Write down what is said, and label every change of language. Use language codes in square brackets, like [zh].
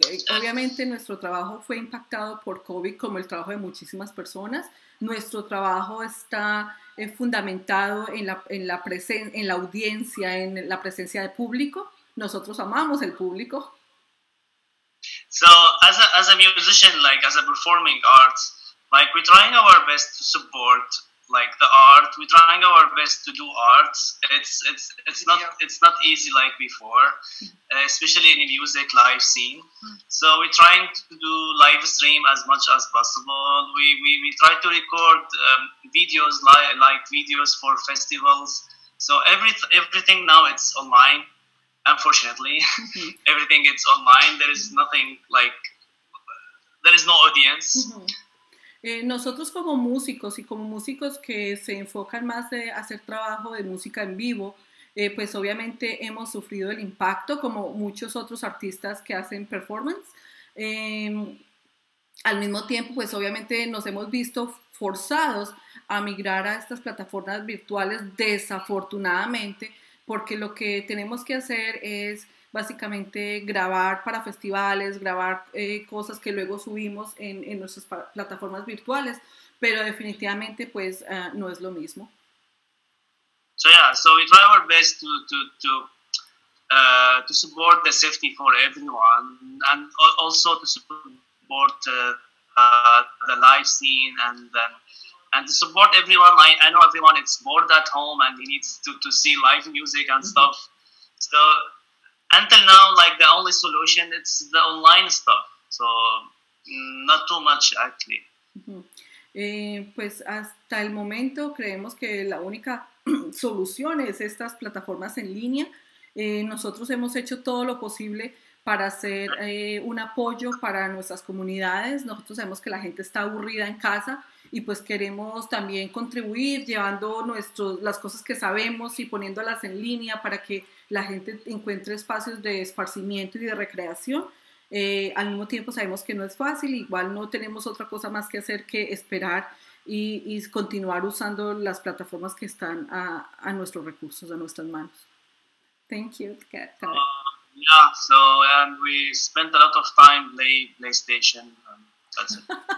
[es] Obviamente nuestro trabajo fue impactado por COVID como el trabajo de muchísimas personas. Nuestro trabajo está fundamentado en la audiencia, en la presencia de público. Nosotros amamos el público. [en] So as a musician, like as a performing arts, like we're trying our best to support like the art. We're trying our best to do arts. It's not easy like before, especially in the music live scene. So we're trying to do live stream as much as possible. We try to record videos like videos for festivals. So everything now it's online. Unfortunately, everything it's online. There is nothing like there is no audience. Mm-hmm. [es] Nosotros como músicos y como músicos que se enfocan más de hacer trabajo de música en vivo, pues obviamente hemos sufrido el impacto como muchos otros artistas que hacen performance. Al mismo tiempo, pues obviamente nos hemos visto forzados a migrar a estas plataformas virtuales desafortunadamente, porque lo que tenemos que hacer es básicamente grabar para festivales, grabar cosas que luego subimos en nuestras plataformas virtuales, pero definitivamente pues no es lo mismo. [en] So yeah, so we try our best to support the safety for everyone and also to support the live scene and to support everyone. I know everyone is bored at home and he needs to see live music and mm-hmm. stuff. So until now, like the only solution, it's the online stuff. So not too much actually. Uh-huh. [es] Pues hasta el momento creemos que la única solución es estas plataformas en línea. Nosotros hemos hecho todo lo posible para hacer un apoyo para nuestras comunidades. Nosotros sabemos que la gente está aburrida en casa y pues queremos también contribuir llevando las cosas que sabemos y poniéndolas en línea para que la gente encuentre espacios de esparcimiento y de recreación. Al mismo tiempo sabemos que no es fácil, igual no tenemos otra cosa más que hacer que esperar y continuar usando las plataformas que están a nuestros recursos, a nuestras manos. [en] Thank you. Yeah, so and we spent a lot of time playing PlayStation, that's it.